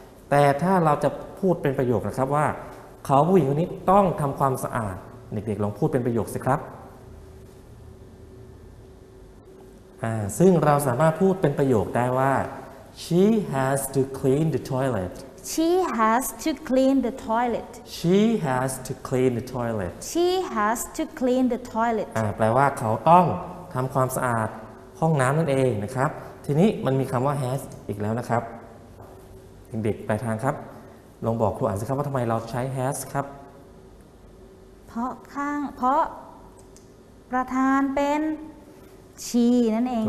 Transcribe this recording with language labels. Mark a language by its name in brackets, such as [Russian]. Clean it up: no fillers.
[Thai] แต่ถ้าเราจะพูดเป็นประโยคนะครับว่าเขาผู้หญิงคนนี้ต้องทำความสะอาดเด็กๆลองพูดเป็นประโยคสิครับซึ่งเราสามารถพูดเป็นประโยคได้ว่า [English] She has to clean the toilet. She has to clean the toilet. She has to clean the toilet. She has to clean the toilet. [Thai] แปลว่าเขาต้องทำความสะอาดห้องน้ำนั่นเองนะครับทีนี้มันมีคำว่า has อีกแล้วนะครับเด็กๆปลายทางครับลองบอกครูอ่านสิครับว่าทำไมเราใช้ has ครับ เพราะข้างเพราะประธานเป็น she นั่นเองค่ะ